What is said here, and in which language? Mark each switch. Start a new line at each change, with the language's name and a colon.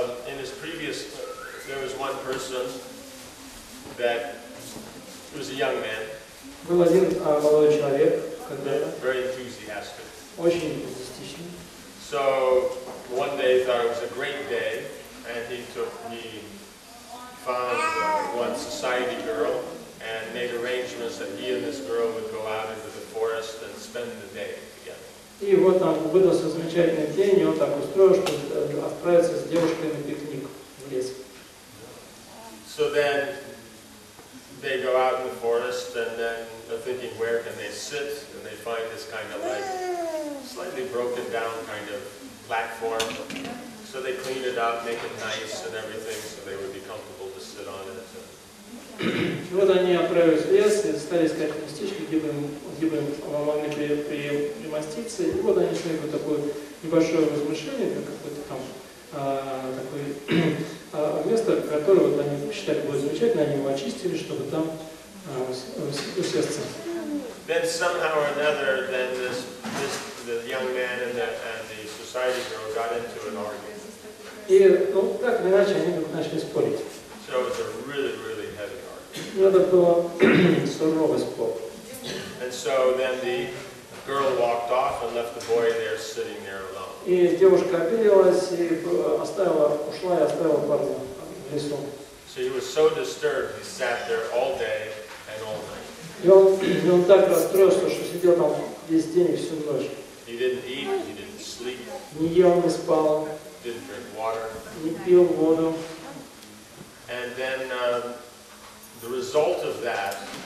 English: In his previous, there was one person that was a young man.
Russian: Был один молодой человек, когда-то.
English: Very enthusiastic.
Russian: Очень энтузиастичный.
English: So one day he thought it was a great day, and he found one society girl and made arrangements that he and this girl would go out into the forest and spend the day together.
Russian: И вот там выдался замечательный день, и он так устроил, чтобы отправиться с девушкой на пикник в лес.
English: So then they go out in the forest, and then they're thinking, where can they sit? And they find this kind of like slightly broken down kind of platform. So they clean it up, make it nice and everything, so they would be comfortable to sit on it. So.
Russian: Вот они отправились в лес и стали искать местечко, где бы им могли примоститься. И вот они сняли такое небольшое возмущение, какое-то там такое. Место, которое вот они считали было замечательно, они его очистили, чтобы там усесться.
English: Then somehow or another, then the young man and the society girl got into an argument.
Russian: И ну, так или иначе они вдруг начали спорить.
English: So it was a really, really heavy argument.
Russian: Ну, это было суровый спор.
English: And so then the girl walked off and left the boy there sitting there alone.
Russian: И девушка обиделась и ушла и оставила парня в лесу.
English: So he was so disturbed, he sat there all day and all night.
Russian: И он так расстроился, что сидел там весь день и всю ночь.
English: He didn't eat, he didn't sleep.
Russian: Не ел, не спал.
English: Didn't drink water.
Russian: Не пил воду.
English: And then the result of that.